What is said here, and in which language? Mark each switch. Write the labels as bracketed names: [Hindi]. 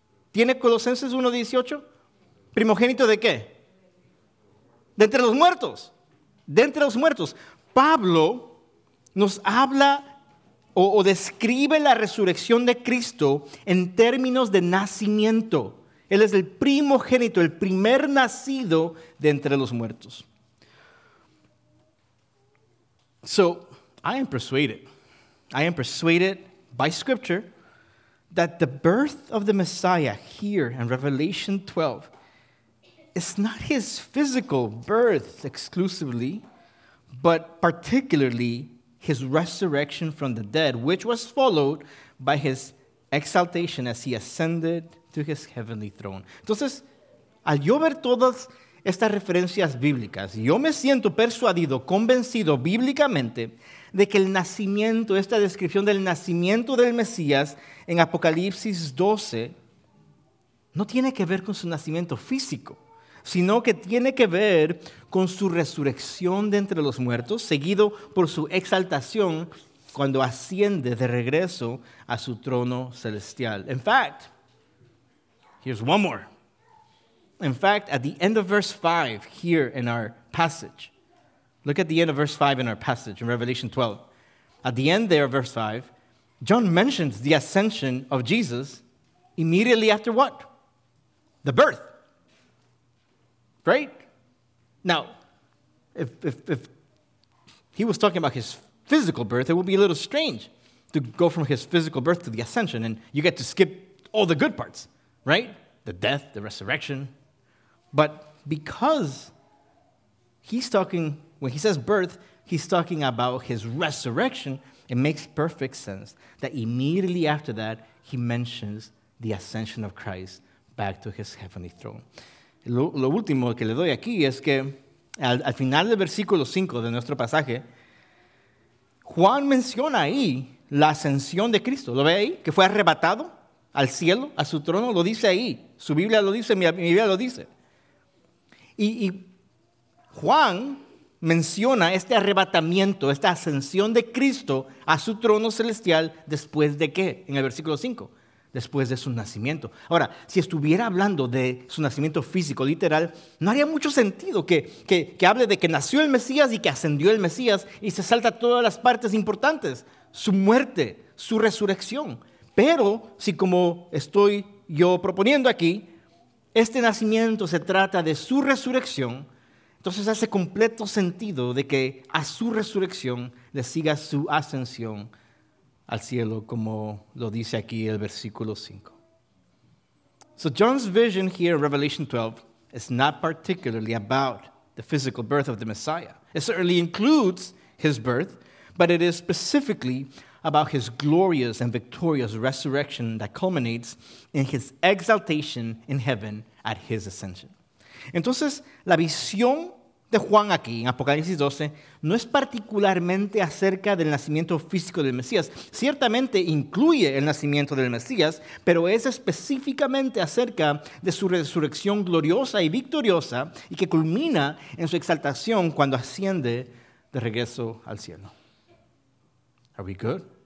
[Spanish] ¿Tiene Colosenses 1:18? ¿Primogénito de qué? De entre los muertos. De entre los muertos. Pablo nos habla o describe la resurrección de Cristo en términos de nacimiento. Él es el primogénito, el primer nacido de entre los muertos. [English] So, I am persuaded by Scripture that the birth of the Messiah here in Revelation 12 is not his physical birth exclusively, but particularly his resurrection from the dead, which was followed by his exaltation as he ascended to his heavenly throne. [Spanish] Entonces, al yo ver todas estas referencias bíblicas, yo me siento persuadido, convencido bíblicamente de que el nacimiento, esta descripción del nacimiento del Mesías en Apocalipsis 12, no tiene que ver con su nacimiento físico, sino que tiene que ver con su resurrección de entre los muertos, seguido por su exaltación cuando asciende de regreso a su trono celestial. [English] In fact, here's one more. In fact, at the end of verse 5 here in our passage, look at the end of verse 5 in our passage in Revelation 12. At the end there, verse 5, John mentions the ascension of Jesus immediately after what? The birth. Right? Now, if he was talking about his physical birth, it would be a little strange to go from his physical birth to the ascension, and you get to skip all the good parts, right? The death, the resurrection. But because he's talking, when he says birth, he's talking about his resurrection, it makes perfect sense that immediately after that, he mentions the ascension of Christ back to his heavenly throne. [Spanish] Lo último que le doy aquí es que al final del versículo 5 de nuestro pasaje, Juan menciona ahí la ascensión de Cristo. ¿Lo ve ahí? Que fue arrebatado al cielo, a su trono. Lo dice ahí. Su Biblia lo dice, mi Biblia lo dice. Y Juan menciona este arrebatamiento, esta ascensión de Cristo a su trono celestial, ¿después de qué? En el versículo 5. Después de su nacimiento. Ahora, si estuviera hablando de su nacimiento físico, literal, no haría mucho sentido que hable de que nació el Mesías y que ascendió el Mesías y se salta todas las partes importantes, su muerte, su resurrección. Pero si, como estoy yo proponiendo aquí, este nacimiento se trata de su resurrección, entonces hace completo sentido de que a su resurrección le siga su ascensión al cielo, como lo dice aquí el versículo 5. [English] So John's vision here in Revelation 12 is not particularly about the physical birth of the Messiah. It certainly includes his birth, but it is specifically about his glorious and victorious resurrection that culminates in his exaltation in heaven at his ascension. [Spanish] Entonces, la visión de Juan aquí en Apocalipsis 12 no es particularmente acerca del nacimiento físico del Mesías. Ciertamente incluye el nacimiento del Mesías, pero es específicamente acerca de su resurrección gloriosa y victoriosa y que culmina en su exaltación cuando asciende de regreso al cielo. [English] Are we good?